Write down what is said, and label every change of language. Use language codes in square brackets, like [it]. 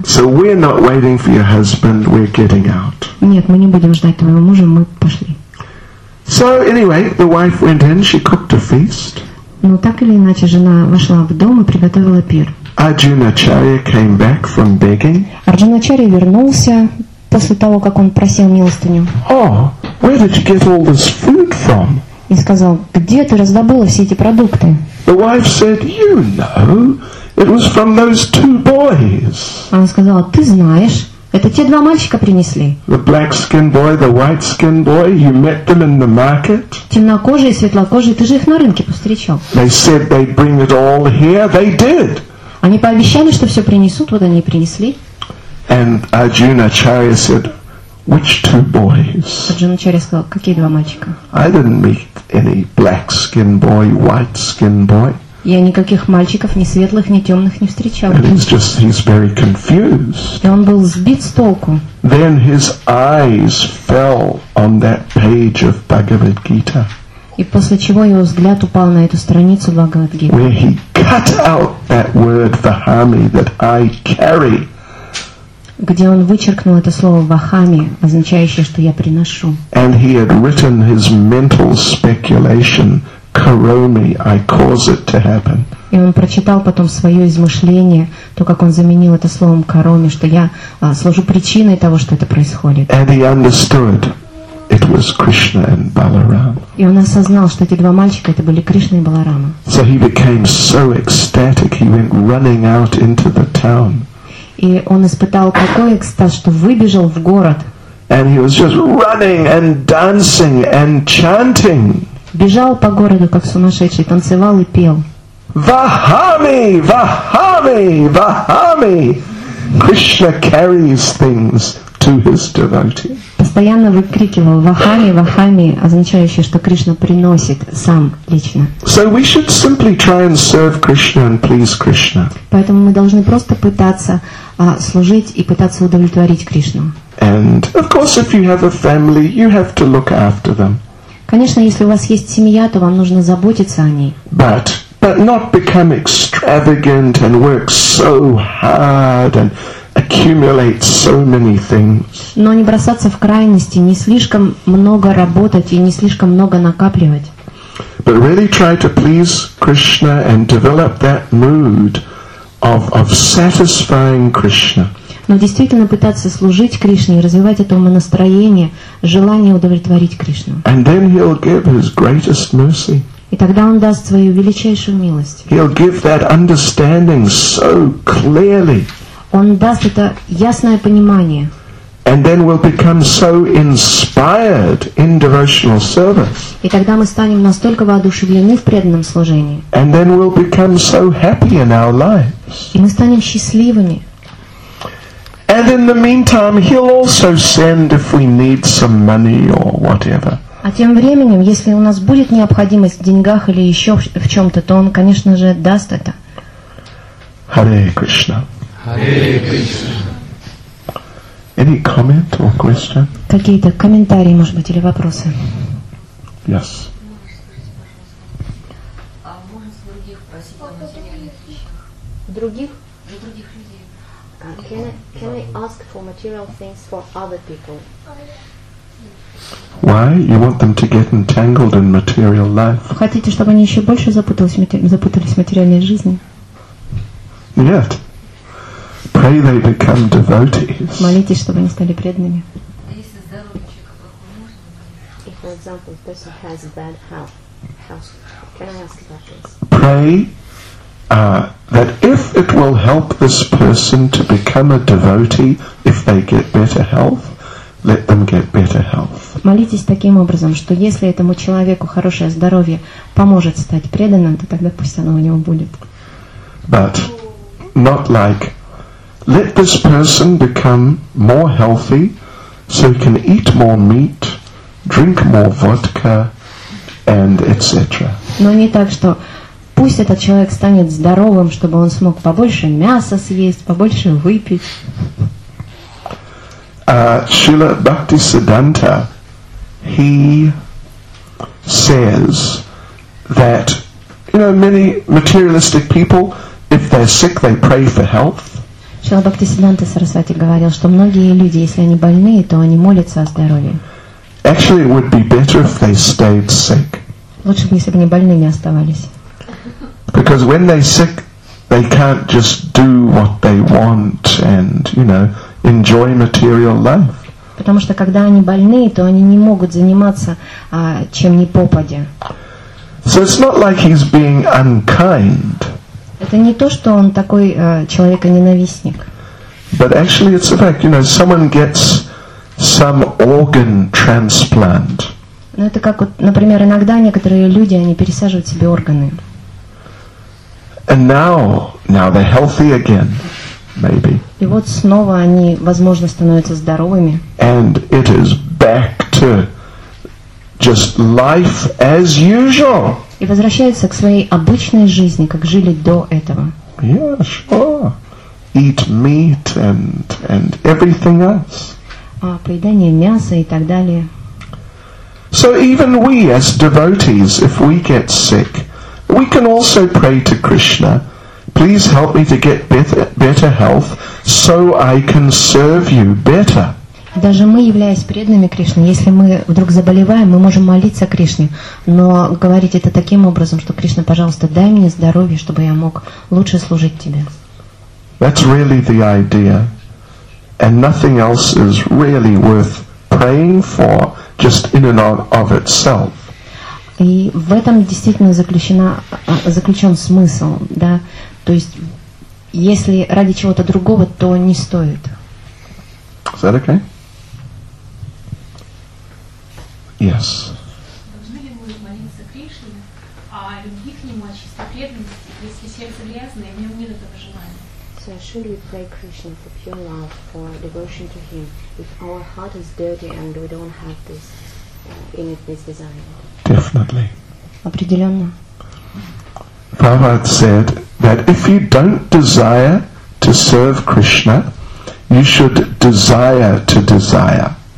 [en] So we're not waiting for your husband, we're getting out. [ru] Нет, мы не будем ждать твоего мужа, мы пошли. [en] So anyway, the wife went in, she cooked a feast. [ru] Но так или иначе, жена вошла в дом и приготовила пир. [en] Arjunacharya came back from begging. [ru] Arjunacharya вернулся после того, как он просил милостыню. [en] Oh, where did you get all this food from? [ru] И сказал, где ты раздобыла все эти продукты? [en] The wife said, you know, it was from those two boys. [ru] Она сказала, ты знаешь, это те два мальчика принесли. [en] The black-skinned boy, the white-skinned boy, you met them in the market. [ru] Темнокожие, светлокожие, ты же их на рынке повстречал. [en] They said they'd bring it all here, they did. [ru] Они пообещали, что все принесут, вот они и принесли. [en] And Arjunacharya said, which two boys? [ru] Arjunacharya сказал, какие два мальчика? [en] I didn't meet any black skin boy, white skin boy. [ru] Я никаких мальчиков, ни светлых, ни темных не встречал. [en] And he's very confused. [ru] И он был сбит с толку. [en] Then his eyes fell on that page of Bhagavad Gita. [ru] И после чего его взгляд упал на эту страницу Бхагавад Гиты. [en] Where he cut out that word vahami that I carry. [ru] Где он вычеркнул это слово «вахами», означающее, что я приношу. [en] And he had written his mental speculation, «Karomi, I cause it to happen». [ru] И он прочитал потом свое измышление, то, как он заменил это словом «кароми», что я служу причиной того, что это происходит. [en] And he understood it was Krishna and Balaram. [ru] И он осознал, что эти два мальчика – это были Кришна и Баларама. [en] So he became so ecstatic, he went running out into the town. [ru] И он испытал такой экстаз, что выбежал в город. [en] And he was just running and dancing and chanting. [ru] Бежал по городу, как сумасшедший, танцевал и пел. [sa] Vahami, Vahami, Vahami. [en] Krishna carries things to his devotee. [ru] Постоянно выкрикивал Vahami, Vahami, означающее, что Кришна приносит сам лично. [en] So we should simply try and serve Krishna and please Krishna. [ru] Поэтому мы должны просто пытаться служить и пытаться удовлетворить Кришну. [en] And of course, if you have a family, you have to look after them. [ru] Конечно, если у вас есть семья, то вам нужно заботиться о ней. [en] But not become extravagant and work so hard and accumulate so many things. [ru] Но не бросаться в крайности, не слишком много работать и не слишком много накапливать. [en] But really try to please Krishna and develop that mood of satisfying Krishna. [ru] Но действительно пытаться служить Кришне и развивать это умонастроение, желание удовлетворить Кришну. [en] And then he'll give his greatest mercy. [ru] И тогда он даст свою величайшую милость. [en] He'll give that understanding so clearly. [ru] Он даст это ясное понимание. [en] And then we'll become so inspired in devotional service. [ru] И тогда мы станем настолько воодушевлены в преданном служении. [en] And then we'll become so happy in our lives. [ru] И мы станем счастливыми. [en] And in the meantime, he'll also send if we need some money or whatever. [ru] А тем временем, если у нас будет необходимость в деньгах или еще в чем-то, то он, конечно же, даст это. [sa] Hare Krishna. Hare Krishna. [en] Any comment or question? [ru] Какие-то комментарии, может быть, или вопросы? [en] Yes. [ru] А можно других просить? Других? Других людей. [en] Can I ask for material things for other people? Why? You want them to get entangled in material life? [ru] Хотите, чтобы они еще больше запутались в материальной жизни? Нет. [en] Pray they become devotees. [ru] Молитесь, чтобы они стали преданными. [en] If, for example, a person has bad health, can I ask about this? Pray that if it will help this person to become a devotee, if they get better health, let them get better health. [ru] Молитесь таким образом, что если этому человеку хорошее здоровье поможет стать преданным, то тогда пусть оно у него будет. [en] But not like let this person become more healthy so he can eat more meat, drink more vodka and etc. [ru] Но не так, что пусть этот человек станет здоровым, чтобы он смог побольше мяса съесть, побольше выпить. [en] Srila Bhaktisiddhanta, he says that You know, many materialistic people, if they're sick, they pray for health. [ru] Шрила Бхактисиддханта Сарасвати говорил, что многие люди, если они больны, то они молятся о здоровье. [en] Actually, it would be better if they stayed sick. [ru] Лучше бы, если бы они больными оставались. [en] Because when they're sick, they can't just do what they want and, you know, enjoy material life. [ru] Потому что когда они больны, то они не могут заниматься чем ни попадя. [en] So it's not like he's being unkind. [ru] Это не то, что он такой человеконенавистник. [en] But actually it's a fact, you know, someone gets some organ transplant. [ru] Ну это как вот, например, иногда некоторые люди, они пересаживают себе органы. [en] And now they're healthy again, maybe. [ru] И вот снова они, возможно, становятся здоровыми. [en] And it is back to just life as usual. [ru] И возвращаются к своей обычной жизни, как жили до этого. [en] Yeah, sure. Eat meat and everything else. [ru] Поедание мяса и так далее. [en] So even we as devotees, if we get sick, we can also pray to Krishna, please help me to get better health so I can serve you better. [ru] Даже мы, являясь преданными Кришны, если мы вдруг заболеваем, мы можем молиться Кришне, но говорить это таким образом, что Кришна, пожалуйста, дай мне здоровье, чтобы я мог лучше служить тебе. [en] That's really the idea. And nothing else is really worth praying for just in and of itself. [ru] И в этом действительно заключен смысл, да? То есть если ради чего-то другого, то не стоит. [en] Is that okay? Yes. [ru] Должны ли мы молиться Кришне о любви к нему, о чистой преданности, если сердце грязное, в нем нет этого желания? [en] So should we pray Krishna for pure love, for devotion to him, if our heart is dirty and we don't have this in it, this desire? Definitely. [ru] Определенно. [en] Prabhupada said that if you don't desire to serve Krishna, you should desire to desire.